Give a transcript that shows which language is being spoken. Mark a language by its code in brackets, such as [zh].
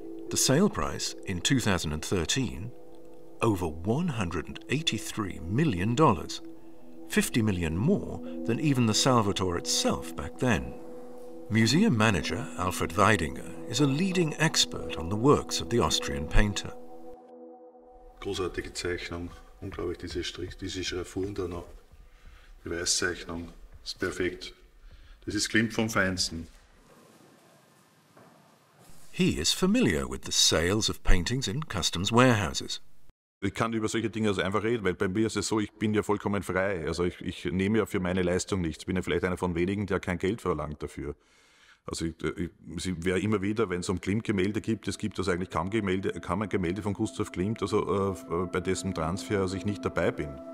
[en] The sale price in 2013, over $183 million, $50 million more than even the Salvator itself back then. Museum manager Alfred Weidinger is a leading expert on the works of the Austrian painter. [de] Großartige Zeichnung, unglaublich, diese Strich, diese Schraffuren da noch. Die Weißzeichnung ist perfekt. Das ist Klimt vom Feinsten. [en] He is familiar with the sales of paintings in customs warehouses. [de] Ich kann über solche Dinge also einfach reden, weil bei mir ist es so, ich bin ja vollkommen frei. Also ich nehme ja für meine Leistung nichts. Ich bin ja vielleicht einer von wenigen, der kein Geld verlangt dafür. Also ich wäre immer wieder, wenn es um Klimt-Gemälde gibt, es gibt also eigentlich kaum ein Gemälde von Gustav Klimt, also bei dessen Transfer also ich nicht dabei bin.